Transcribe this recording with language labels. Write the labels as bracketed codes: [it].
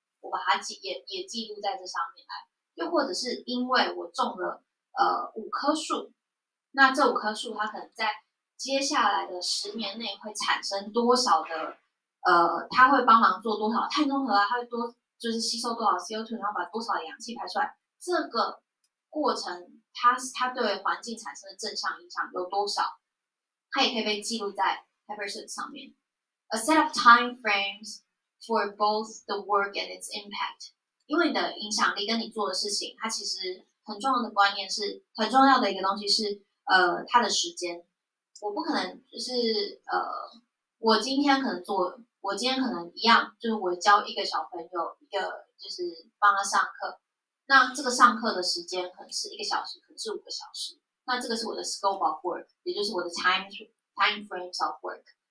[zh] 我把它也记录在这上面来。又或者是因为我种了五棵树，那这五棵树它可能在接下来的十年内会产生多少的它会帮忙做多少碳中和啊，它会多就是吸收多少 CO2， 然后把多少氧气排出来，这个过程它对环境产生的正向影响有多少，它也可以被记录在 Hypersuit 上面。 [en] A set of time frames for both the work and its impact。 [zh] 因为你的影响力跟你做的事情，它其实很重要的观念是，很重要的一个东西是，它的时间。我不可能就是我今天可能一样，就是我教一个小朋友一个就是帮他上课，那这个上课的时间可能是一个小时，可能是五个小时，那这个是我的 scope of work，也就是我的 time frames of work。